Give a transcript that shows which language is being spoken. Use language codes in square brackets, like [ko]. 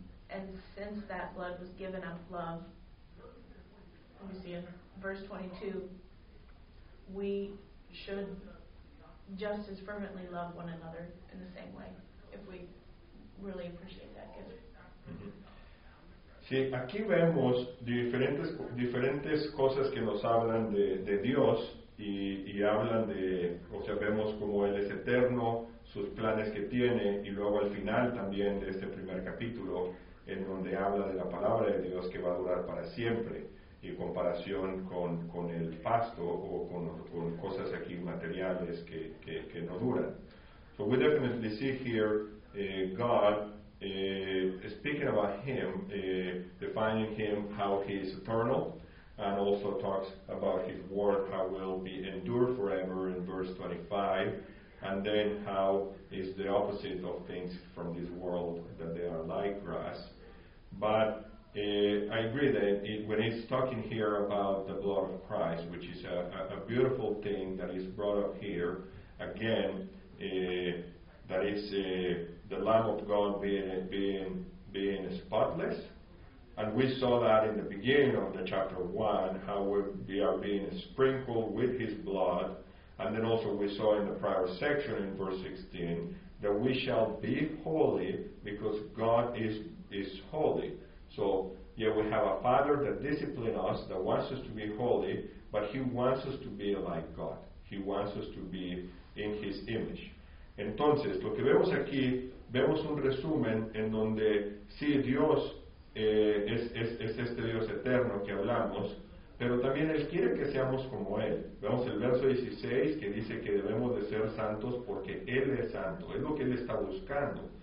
[en] And since that blood was given out of love, let me see, in verse 22, we should just as fervently love one another in the same way, if we really appreciate that gift. [es] Sí, aquí vemos diferentes cosas que nos hablan de Dios y hablan de, o sea, vemos cómo Él es eterno, sus planes que tiene, y luego al final también de este primer capítulo, en donde habla de la palabra de Dios que va a durar para siempre, y en comparación con el pasto o con cosas aquí materiales que no duran. [en] So we definitely see here God, speaking about Him, defining Him, how He is eternal, and also talks about His word, how will be endured forever in verse 25, and then how is the opposite of things from this world, that they are like grass. But I agree that when He's talking here about the blood of Christ, which is a beautiful thing that is brought up here, again, that is the Lamb of God being spotless. And we saw that in the beginning of the chapter 1, how we are being sprinkled with His blood. And then also we saw in the prior section in verse 16 that we shall be holy because God is holy. So, yeah, we have a Father that disciplines us, that wants us to be holy, but He wants us to be like God. He wants us to be in His image. [es] Entonces, lo que vemos aquí, vemos un resumen en donde, sí, Dios es este Dios eterno que hablamos, pero también Él quiere que seamos como Él. Vemos el verso 16 que dice que debemos de ser santos porque Él es santo, es lo que Él está buscando.